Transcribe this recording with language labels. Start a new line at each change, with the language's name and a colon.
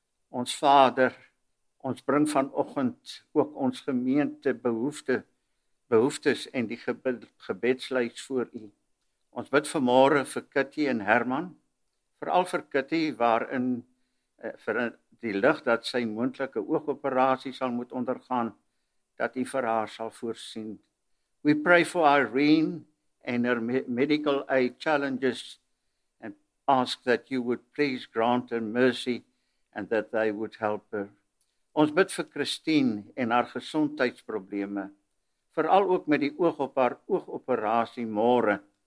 Afrikaans: Ons Vader, ons bring vanoggend ook ons gemeente behoeftes en die gebedslys voor u. Ons bid vanmôre vir Kitty en Herman, veral vir Kitty waarin vir die lig dat sy moontlike oogoperasie sal moet ondergaan, dat u vir haar sal voorsien.
English: We pray for Irene and her medical aid challenges and ask that you would please grant her mercy and that they would help her.
Afrikaans: Ons bid vir Christine en haar gesondheidsprobleme, vooral ook met die oog op haar oogoperasie môre.